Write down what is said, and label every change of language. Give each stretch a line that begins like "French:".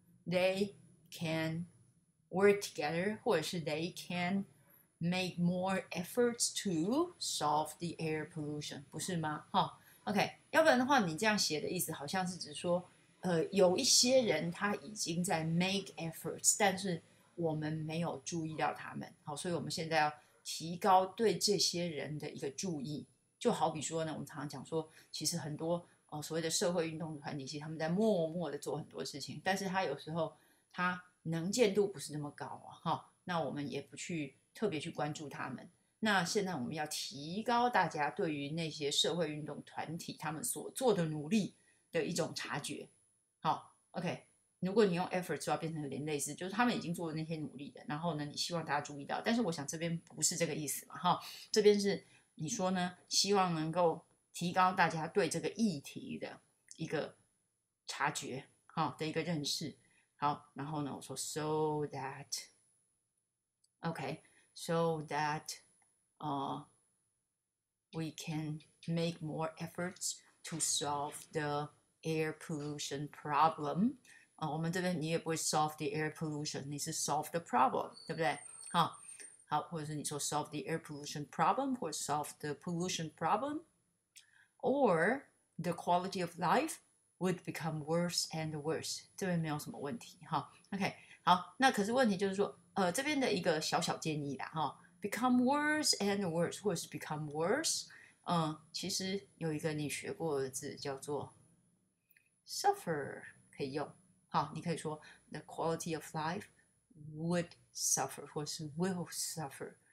English: They can work together,
Chinese: 或者是
English: they can make more efforts to solve the air pollution,
Chinese: 不是吗？哈 ，OK， 要不然的话，你这样写的意思好像是指说，有一些人他已经在
English: make efforts，
Chinese: 但是我们没有注意到他们，好，所以我们现在要提高对这些人的一个注意。就好比说呢，我们常常讲说，其实很多。所谓的社会运动团体，其实他们在默默的做很多事情，但是他有时候他能见度不是那么高啊，哈，那我们也不去特别去关注他们。那现在我们要提高大家对于那些社会运动团体他们所做的努力的一种察觉，好 ，OK，如果你用 effort 就要变成有点类似，就是他们已经做了那些努力的，然后呢你希望大家注意到，但是我想这边不是这个意思嘛，哈，这边是你说呢希望能够提高大家对这个议题的一个察觉，哈，的一个认识。好，然后呢我说
English: so that OK so that we can make more efforts to solve the air pollution problem。
Chinese: 我们这边你也不会
English: solve the air pollution，
Chinese: 你是
English: solve the problem，
Chinese: 对不对？好，好，或者是你说
English: solve the air pollution problem，
Chinese: 或
English: solve the pollution problem， or the quality of life would become worse and worse。
Chinese: 这边没有什么问题，哈。 OK， 好，那可是问题就是说，这边的一个小小建议啦，哈。
English: Become worse and worse，
Chinese: 或者是
English: become worse，
Chinese: 其实有一个你学过的字叫做 suffer， 可以用。好，你可以说
English: the quality of life would suffer，
Chinese: 或是
English: will suffer。